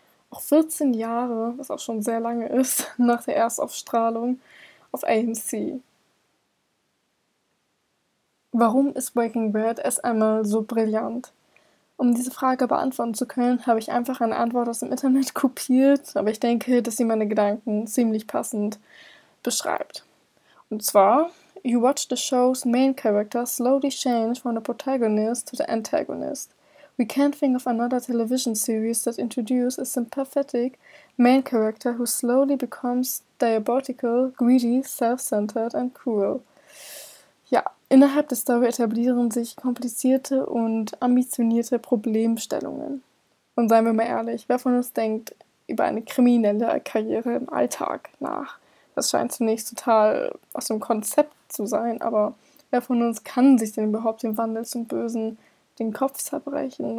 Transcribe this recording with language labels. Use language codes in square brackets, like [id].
[de] Auch 14 Jahre, was auch schon sehr lange ist, nach der Erstaufstrahlung auf AMC. Warum ist Breaking Bad erst einmal so brillant? Um diese Frage beantworten zu können, habe ich einfach eine Antwort aus dem Internet kopiert, aber ich denke, dass sie meine Gedanken ziemlich passend beschreibt. Und zwar, [en] you watch the show's main character slowly change from the protagonist to the antagonist. We can't think of another television series that introduces a sympathetic main character who slowly becomes diabolical, greedy, self-centered and cruel. [de] Ja, innerhalb der Story etablieren sich komplizierte und ambitionierte Problemstellungen. Und seien wir mal ehrlich, wer von uns denkt über eine kriminelle Karriere im Alltag nach? Das scheint zunächst total aus dem Konzept zu sein, aber wer von uns kann sich denn überhaupt dem Wandel zum Bösen den Kopf zerbrechen?